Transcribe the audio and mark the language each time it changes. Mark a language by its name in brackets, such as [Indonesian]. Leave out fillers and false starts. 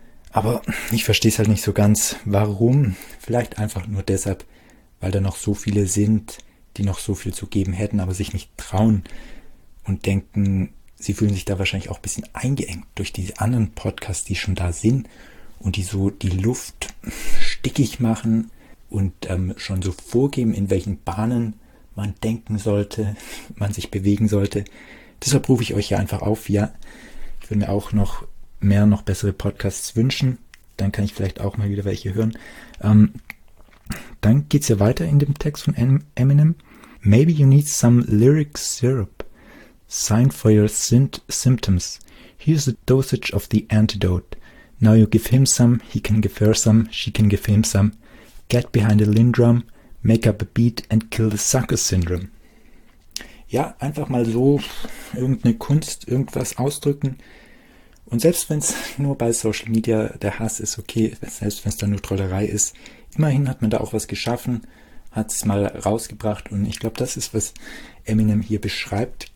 [German] Aber ich verstehe es halt nicht so ganz, warum. Vielleicht einfach nur deshalb, weil da noch so viele sind, die noch so viel zu geben hätten, aber sich nicht trauen und denken, sie fühlen sich da wahrscheinlich auch ein bisschen eingeengt durch diese anderen Podcasts, die schon da sind und die so die Luft stickig machen und schon so vorgeben, in welchen Bahnen man denken sollte, man sich bewegen sollte. Deshalb rufe ich euch ja einfach auf, ja, ich würde mir auch noch mehr, noch bessere Podcasts wünschen, dann kann ich vielleicht auch mal wieder welche hören. Dann geht's ja weiter in dem Text von Eminem. [English] Maybe you need some lyric syrup. Sign for your symptoms. Here's a dosage of the antidote. Now you give him some, he can give her some, she can give him some. Get behind a Lindrum, make up a beat and kill the sucker syndrome. [German] Ja, einfach mal so irgendeine Kunst, irgendwas ausdrücken. Und selbst wenn es nur bei Social Media der Hass ist, okay, selbst wenn es da nur Trollerei ist, immerhin hat man da auch was geschaffen, hat es mal rausgebracht und ich glaube, das ist, was Eminem hier beschreibt.